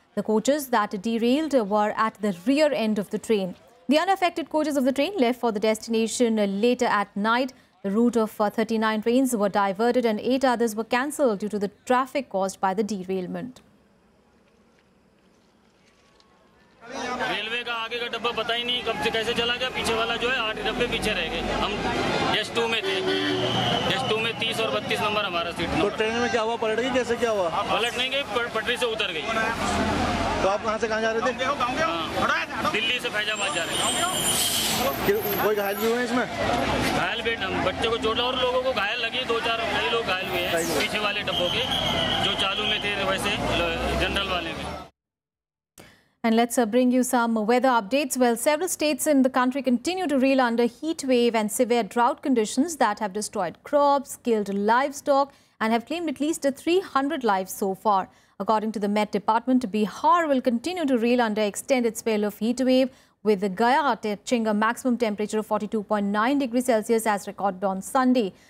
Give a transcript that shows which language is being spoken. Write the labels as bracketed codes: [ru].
[en] The coaches that derailed were at the rear end of the train. The unaffected coaches of the train left for the destination later at night. The route of 39 trains were diverted and 8 others were cancelled due to the traffic caused by the derailment. [hi] Railway का आगे का डब्बा पता ही नहीं कब से कैसे चला गया. पीछे वाला जो है 8 डब्बे पीछे रह गए. हम गेस्ट 2 में थे. गेस्ट 2 में 30 और 32 नंबर हमारा सीट नंबर. तो ट्रेन में क्या हुआ, पलट गई, कैसे क्या हुआ? पलट नहीं गई, पटरी से उतर गई. तो आप कहां से कहां जा रहे थे? दिल्ली से फैजाबाद जा रहे थे. कोई घायल भी हुए इसमें? घायल भी हम बच्चे को चोट और लोगों को घायल लगी. दो चार कई लोग घायल हुए हैं पीछे वाले डब्बों के जो चालू में थे वैसे जनरल वाले में. [en] And let's bring you some weather updates. Well, several states in the country continue to reel under heat wave and severe drought conditions that have destroyed crops, killed livestock and have claimed at least 300 lives so far. According to the Met Department, Bihar will continue to reel under extended spell of heat wave, with Gaya touching a maximum temperature of 42.9 degrees Celsius as recorded on Sunday.